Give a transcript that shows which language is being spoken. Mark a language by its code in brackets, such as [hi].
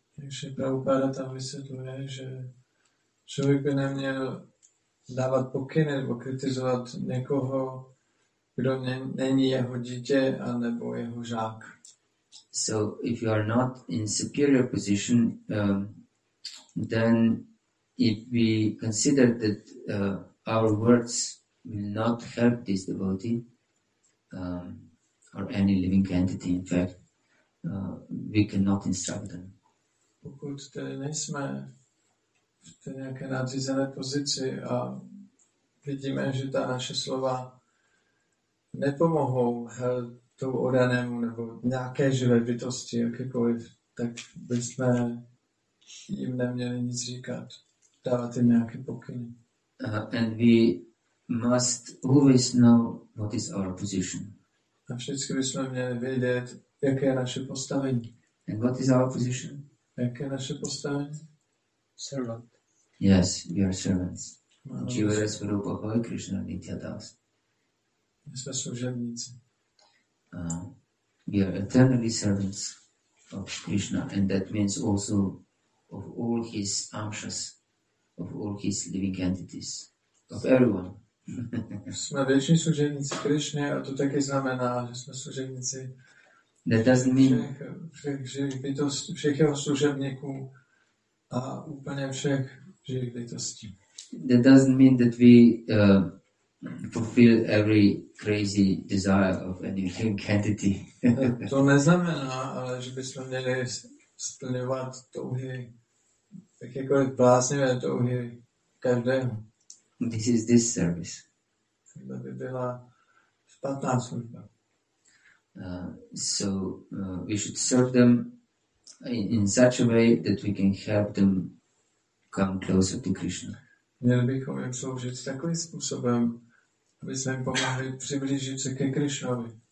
[cs] Srila Prabhupada tam vysvětluje, že člověk by neměl dávat pokyny nebo kritizovat někoho, kdo není jeho dítě anebo jeho žák. [en] So if you are not in superior position, then if we consider that our words will not help this devotee or any living entity, in fact, we cannot instruct them. [cs] Pokud tedy nejsme v té nějaké nadřízené pozici a vidíme, že ta naše slova nepomohou tomu oddanému nebo nějaké živé bytosti, jakékoliv, tak bychom jim neměli nic říkat. dávat jim nějaké pokyny. [en] And we must always know what is our position. [cs] A všichni bychom měli vědět, jaké je naše postavení. [en] And what is our position? [cs] Jaké je naše postavení? [en] Servant. Yes, we are servants. Jivara Svarupa Hare Krishna Nitya Das. [cs] My jsme služebníci. [en] We are eternally servants of Krishna, and that means also of all his amshas, of all his living entities, of everyone. [cs] Jsme věční služebníci Krishna, a to taky znamená, že jsme služebníci. [en] That doesn't mean [cs] všech živých bytostí, všech jeho služebníků a úplně všech živých bytostí. [en] That doesn't mean that we fulfill every crazy desire of any living entity. [cs] To neznamená, ale že bychom měli splňovat touhy, jakékoliv bláznivé touhy každého. [en] This is this service. [cs] To by byla špatná služba. [en] So we should serve them in such a way that we can help them come closer to Krishna. [cs] Měli bychom jim sloužit takovým způsobem, aby jsme jim pomohli přiblížit se ke Krišnovi.